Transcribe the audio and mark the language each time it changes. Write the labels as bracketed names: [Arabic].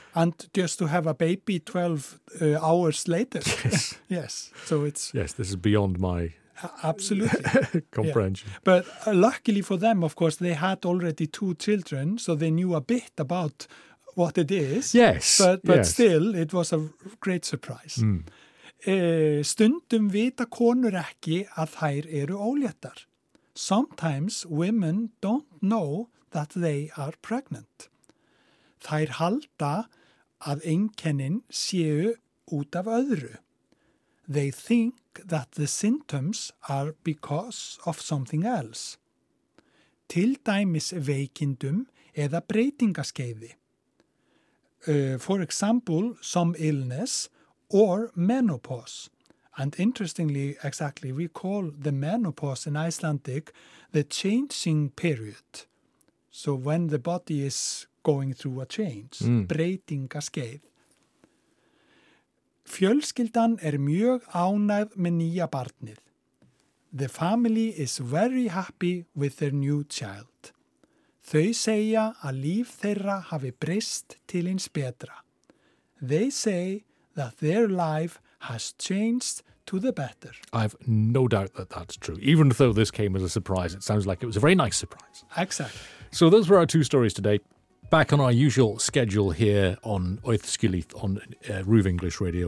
[English] And just to have a baby 12 hours later. Yes. Yes, so it's... Yes, this is beyond my... Absolutely. Comprehension. Yeah. But luckily for them, of course, they had already two children, so they knew a bit about what it is. Yes. But still, it was a great surprise. Mm. [Icelandic] Stundum vita konur ekki að þær eru óléttar. [English] Sometimes women don't know that they are pregnant. [Icelandic] Þær halda að einkennin séu út af öðru. [English] They think that the symptoms are because of something else. [Icelandic] Til dæmis veikindum eða breytingaskeiði. [English] For example, some illness or menopause. And interestingly, exactly, we call the menopause in Icelandic the changing period. So when the body is going through a change, breytingaskeið. [Icelandic] Fjölskyldan mjög ánægð með nýja barnið. [English] The family is very happy with their new child. [Icelandic] Þau segja að líf þeirra hafi breyst til hins betra. [English] They say that their life has changed to the better. I have no doubt that that's true. Even though this came as a surprise, it sounds like it was a very nice surprise. Exactly. So those were our two stories today. Back on our usual schedule here on Oithskilith on Roof English Radio.